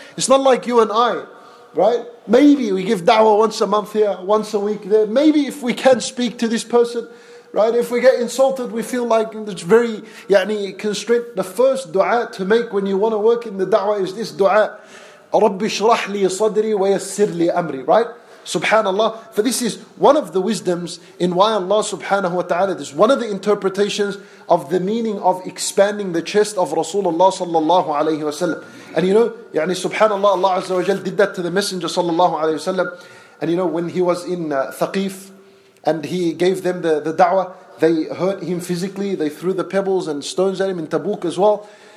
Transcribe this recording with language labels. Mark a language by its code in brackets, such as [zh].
[en] It's not like you and I, right? Maybe we give da'wah once a month here, once a week there. Maybe if we can speak to this person, right? If we get insulted, we feel like it's very constrained. The first du'a to make when you want to work in the da'wah is this du'a. [ar] رَبِّ شْرَحْ لِي صَدْرِي وَيَسِّرْ لِي أَمْرِي, right? [en] Subhanallah. For this is one of the wisdoms in why Allah subhanahu wa ta'ala, this is one of the interpretations of the meaning of expanding the chest of Rasulullah sallallahu alayhi wa sallam. And you know, subhanallah, Allah azza wa jal did that to the Messenger sallallahu alayhi wa sallam. And you know, when he was in Thaqif and he gave them the da'wah, they hurt him physically, they threw the pebbles and stones at him in Tabuk as well.